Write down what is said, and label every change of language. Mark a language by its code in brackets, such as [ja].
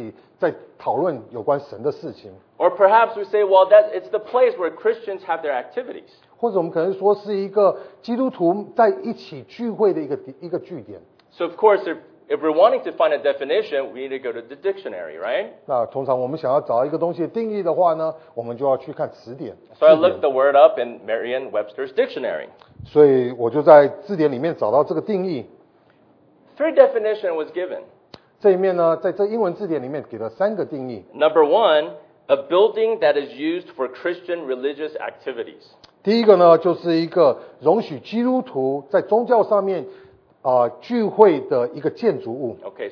[zh] 或者是一群人聚集在一起,在讨论有关神的事情。 [en] Or perhaps we say, well, that it's the place where Christians have their activities. [zh] 或者我们可能说是一个基督徒在一起聚会的一个据点。 [en] So of course, if we're wanting to find a definition, we need to go to the dictionary, right? [zh] 那通常我们想要找一个东西的定义的话呢, 我们就要去看词典。 [en] So I looked the word up in Merriam-Webster's dictionary. [zh] 所以我就在字典里面找到这个定义。 [en] Three definitions was given. [zh] 这一面呢, 在这英文字典里面给了三个定义。 [en] Number one, a building that is used for Christian religious activities. [zh] 第一个呢,就是一个容许基督徒在宗教上面聚会的一个建筑物。Okay,